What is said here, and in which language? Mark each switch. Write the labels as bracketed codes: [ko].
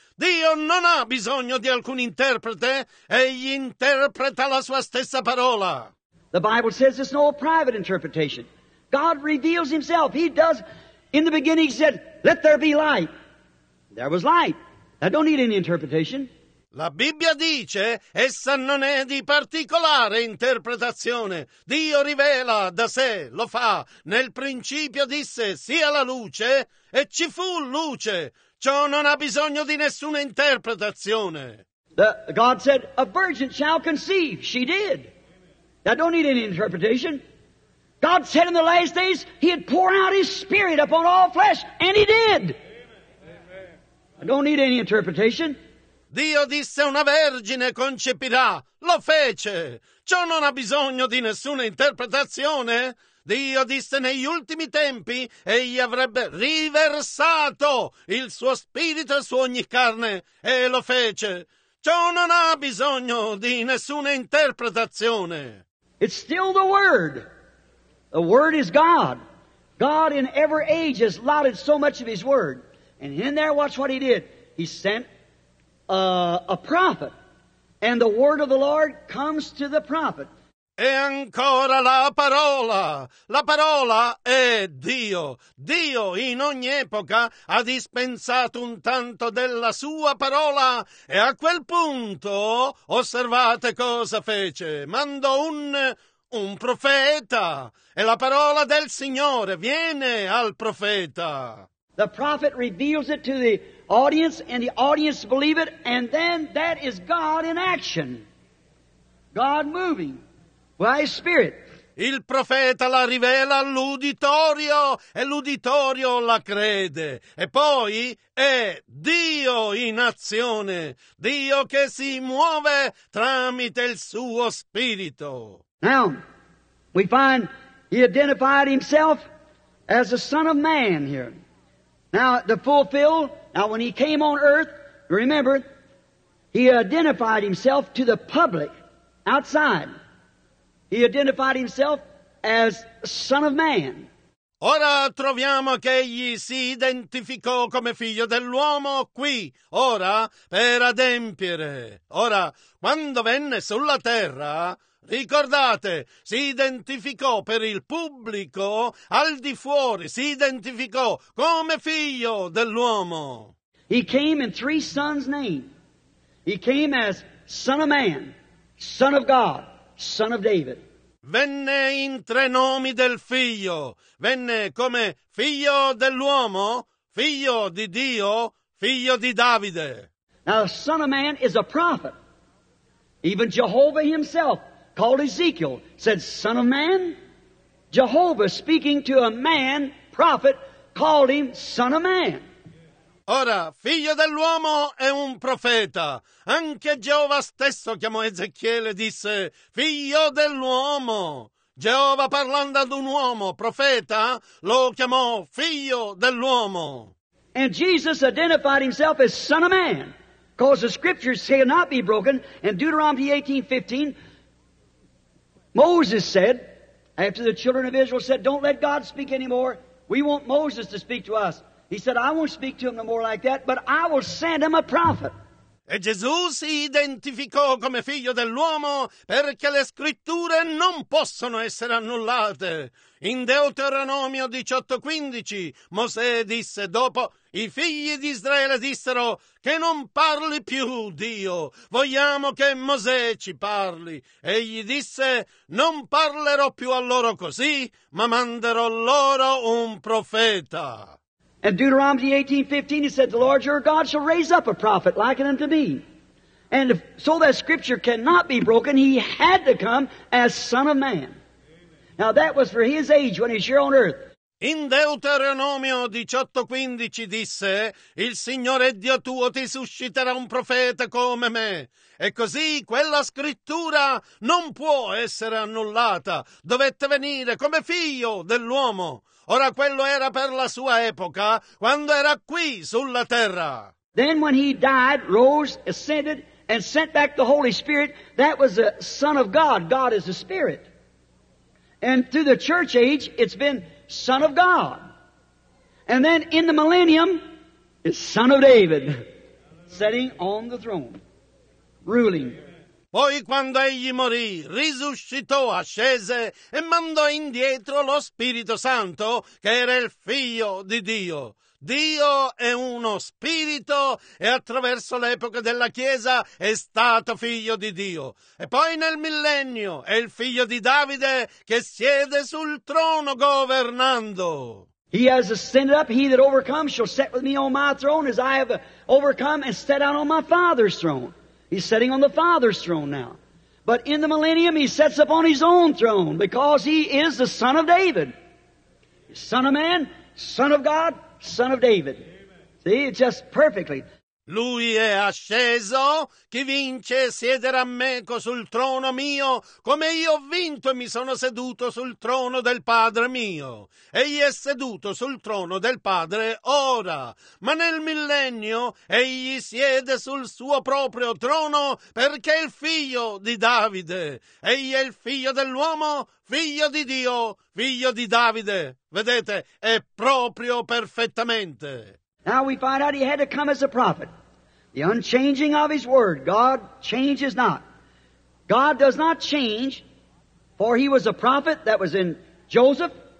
[it] Dio non ha bisogno di alcun interprete, egli interpreta la sua stessa parola. [en] The Bible says it's no private interpretation. God reveals Himself. He does. In the beginning He said, let there be light. There was light. That don't need any interpretation. [it] La Bibbia dice, essa non è di particolare interpretazione. Dio rivela da sé, lo fa. Nel principio disse, sia la luce, e ci fu luce. Ciò non ha bisogno di nessuna interpretazione. [en] God said, a virgin shall conceive. She did. That don't need any interpretation. God said in the last days, He had pour out His Spirit upon all flesh, and He did. I don't need any interpretation. [it] Dio disse una vergine concepirà, lo fece. Ciò non ha bisogno di nessuna interpretazione. Dio disse negli ultimi tempi egli avrebbe riversato il suo spirito su ogni carne e lo fece. Ciò non ha bisogno di nessuna interpretazione. [en] It's still the Word. The Word is God. God in every age has allotted so much of His Word. And in there, watch what He did. He sent a prophet, and the word of the Lord comes to the prophet. [it] E ancora la parola è Dio. Dio in ogni epoca ha dispensato un tanto della sua parola, e a quel punto osservate cosa fece. Mandò un profeta, e la parola del Signore viene al profeta. [en] The prophet reveals it to the audience, and the audience believe it, and then that is God in action. God moving by His Spirit. [it] Il profeta la rivela all'uditorio, e l'uditorio la crede. E poi è Dio in azione, Dio che si muove tramite il suo Spirito. [en] Now, we find He identified Himself as the Son of Man here. Now, when He came on earth, remember, He identified Himself to the public outside. He identified Himself as Son of Man. [it] Ora troviamo che Egli si identificò come figlio dell'uomo qui, ora, per adempiere. Ora, quando venne sulla terra, ricordate, si identificò per il pubblico al di fuori, si identificò come figlio dell'uomo. [en] He came in three sons' name. He came as Son of Man, Son of God, Son of David. [it] Venne in tre nomi del figlio. Venne come figlio dell'uomo, figlio di Dio, figlio di Davide. [en] Now the Son of Man is a prophet. Even Jehovah himself called Ezekiel, said, Son of Man. Jehovah, speaking to a man, prophet, called him Son of Man. [it] Ora, figlio dell'uomo è un profeta. Anche Geova stesso chiamò Ezechiele e disse, figlio dell'uomo. Geova, parlando ad un uomo, profeta, lo chiamò figlio dell'uomo. [en] And Jesus identified himself as Son of Man, because the scriptures shall not be broken. In Deuteronomy 18:15, Moses said, after the children of Israel said, don't let God speak anymore, we want Moses to speak to us. He said, I won't speak to him no more like that, but I will send him a prophet. [it] E Gesù si identificò come figlio dell'uomo perché le scritture non possono essere annullate. In Deuteronomio 18:15, Mosè disse dopo, i figli di Israele dissero, che non parli più Dio, vogliamo che Mosè ci parli. Egli disse, non parlerò più a loro così, ma manderò loro un profeta. [en] And Deuteronomy 18:15, he said, the Lord your God shall raise up a prophet like unto me. And if, so that scripture cannot be broken, he had to come as Son of Man. Amen. Now that was for his age when he's here on earth. [it] In Deuteronomio 18:15 disse, il Signore Dio tuo ti susciterà un profeta come me. E così quella scrittura non può essere annullata. Dovette venire come figlio dell'uomo. Ora quello era per la sua epoca, quando era qui sulla terra. [en] Then when he died, rose, ascended, and sent back the Holy Spirit, that was the Son of God. God is a Spirit. And through the church age, it's been Son of God. And then in the millennium, it's Son of David, sitting on the throne, ruling. [it] Poi quando egli morì, risuscitò, ascese e mandò indietro lo Spirito Santo, che era il Figlio di Dio. Dio è uno Spirito e attraverso l'epoca della Chiesa è stato Figlio di Dio. E poi nel millennio è il Figlio di Davide che siede sul trono governando. [en] He has ascended up, he that overcomes shall sit with me on my throne as I have overcome and sat down on my Father's throne. He's sitting on the Father's throne now. But in the millennium, he sets up on his own throne because he is the Son of David. Son of man, Son of God, Son of David. See, it's just perfectly. [it] Lui è asceso, chi vince siederà meco sul trono mio, come io ho vinto e mi sono seduto sul trono del Padre mio. Egli è seduto sul trono del Padre ora, ma nel millennio egli siede sul suo proprio trono perché è il figlio di Davide. Egli è il figlio dell'uomo, figlio di Dio, figlio di Davide. Vedete, è proprio perfettamente. [en] Now we find out he had to come as a prophet. The unchanging of his word. God changes not. God does not change, for he was a prophet that was in Joseph.